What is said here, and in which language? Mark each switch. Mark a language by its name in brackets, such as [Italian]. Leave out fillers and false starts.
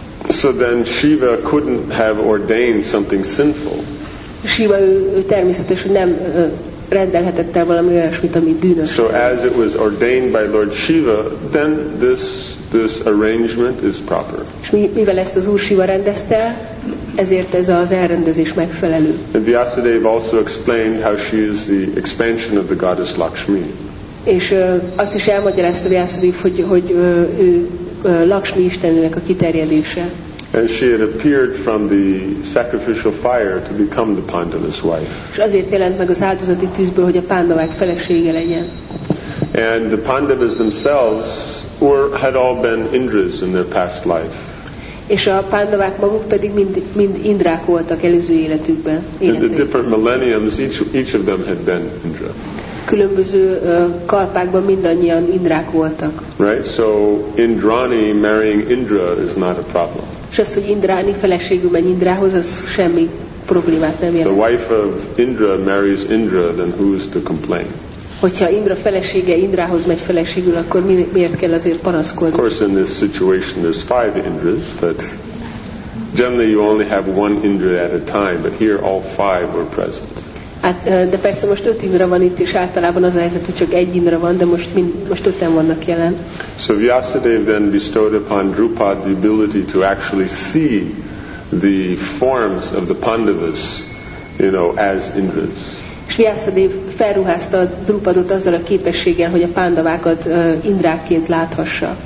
[English] So then Shiva couldn't have ordained something sinful. [Hungarian] Shiva, ő természetes, hogy nem rendelhetett el valami olyasmit, ami bűnös. [English] So as it was ordained by Lord Shiva, then this arrangement is proper. [Hungarian] És mivel ezt az Úr Shiva rendezte, ezért ez az elrendezés megfelelő. [English] And Vyasadeva also explained how she is the expansion of the goddess Lakshmi. [Hungarian] És azt is elmagyarázta Vyasadeva, hogy ő Lakshmi istennőnek a kiterjedése. [English] And she had appeared from the sacrificial fire to become the Pandava's wife. [Hungarian] És azért jelent meg az áldozati tűzből, hogy a Pandavák felesége legyen. [English] And the Pandavas themselves had all been Indras in their past life. [Hungarian] És a Pandavák maguk pedig mind Indrák voltak előző életükben. [English] In the different millenniums, each of them had been Indra. [Hungarian] Különböző kalpákban mindannyian Indrák voltak. [English] Right, so Indrani marrying Indra is not a problem. [Hungarian] És az, hogy Indráni feleségül menj Indrához, az semmi problémát nem jelent. [English] The wife of Indra marries Indra, then who's to complain? [Hungarian] Hogyha Indra felesége Indrához megy feleségül, akkor miért kell azért panaszkodni? [English] Of course, in this situation there's 5 Indras, but generally you only have 1 Indra at a time, but here all 5 were present. [Hungarian] Hát, de persze most 5 Indra van itt, és általában az a helyzet, hogy csak 1 Indra van, de most 5-en vannak jelen. [English] So Vyasadeva then bestowed upon Drupad the ability to actually see the forms of the Pandavas, you know, as Indras. [Hungarian] És Vyasadeva felruházta Drupadot azzal a képességgel, hogy a Pandavákat Indrákként láthassa.